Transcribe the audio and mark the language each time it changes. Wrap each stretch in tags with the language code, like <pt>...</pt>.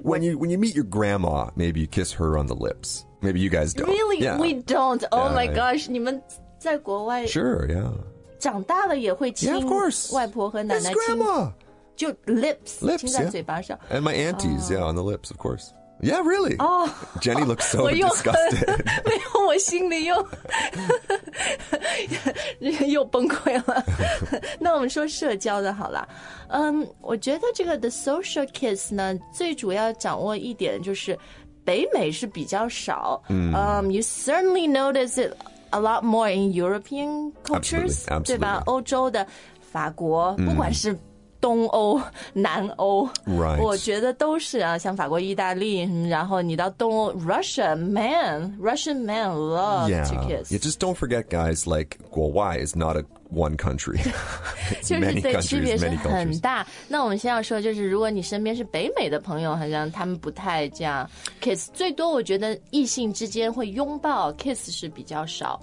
<en>When you meet your grandma, maybe you kiss her on the lips. Maybe you guys don't. Really?、 Yeah. We don't. Oh yeah, my gosh. Yeah.</en> <zh>你们在国外</zh> <en>Sure, yeah.</en> <zh>长大了也会亲</zh> <en>yeah, of course.</en> <zh>外婆和奶奶亲</zh> <en>It's grandma.</en> <zh>就</zh> <en>lips. Lips,</en> <zh>亲在嘴巴上</zh> <en>yeah. And my aunties,、yeah, on the lips, of course. Yeah, really. Oh, Jenny looks so disgusted.</en> <zh>没有我心里又又崩溃了。那我们说社交的好了。我觉得这个</zh> <en>the social kiss</en> <zh>呢最主要掌握一点就是北美是比较少、</zh> <en>you certainly notice it a lot more in European cultures, absolutely, absolutely.</en> <zh>对吧欧洲的法国、不管是东欧南欧、</zh> <en>right.</en> <zh>我觉得都是啊，像法国意大利然后你到东欧</zh> <en>Russian man love、 yeah. to kiss. Yeah, just don't forget guys, like,</en> <zh>国外</zh> <en>is not a one country. It's many countries,</en> <zh>就是对区别是很大。那我们先要说就是如果你身边是北美的朋友好像他们不太这样 kiss, 最多我觉得异性之间会拥抱 kiss 是比较少。</zh>